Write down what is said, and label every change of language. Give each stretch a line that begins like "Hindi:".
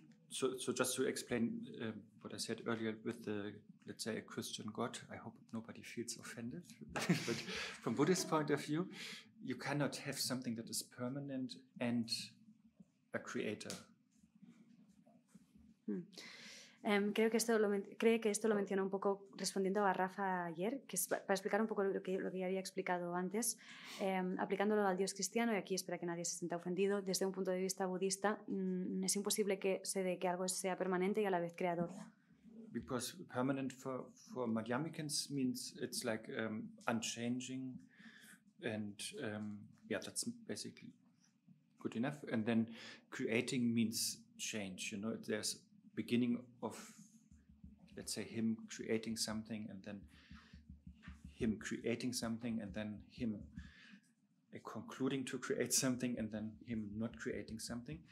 English: So just to explain what I said earlier with the, let's say, a Christian God, I hope nobody feels offended. But from Buddhist point of view, you cannot have something that is permanent and a creator.
Spanish: Creo que esto lo mencionó un poco respondiendo a Rafa ayer, que es para explicar un poco lo que ya había explicado antes, aplicándolo al Dios cristiano, y aquí espera que nadie se sienta ofendido, desde un punto de vista budista, es imposible que se dé que algo sea permanente y a la vez creador.
English: Because permanent for Madhyamikans means it's like unchanging, and yeah, that's basically good enough. And then creating means change, you know, there's beginning of, let's say, him creating something, and then him creating something, and then him concluding to create something, and then him not creating something.